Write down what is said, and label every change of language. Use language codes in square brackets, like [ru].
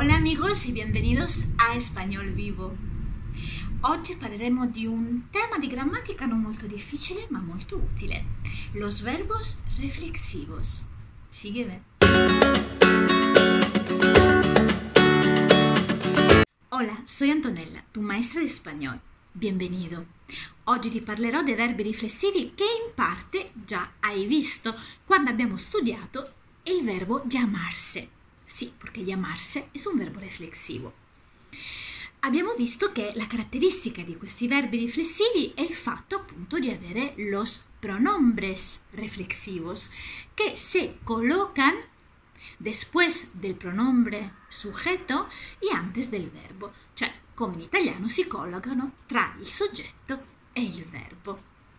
[es] amigos y bienvenidos a Español Vivo. [it] Oggi parleremo di un tema di grammatica non molto difficile ma molto utile. [es] Los verbos reflexivos. Sígueme. Hola, soy Antonella, tu maestra di español. Bienvenido. [it] Oggi ti parlerò dei verbi riflessivi che in parte già hai visto quando abbiamo studiato il verbo llamarse. Sì, perché llamarse è un verbo reflessivo. Abbiamo visto che la caratteristica di questi verbi riflessivi è il fatto appunto di avere [es] los pronombres reflexivos che se colocan después del pronombre sujeto y antes del verbo, [it] cioè come in italiano si collocano tra il soggetto e il verbo.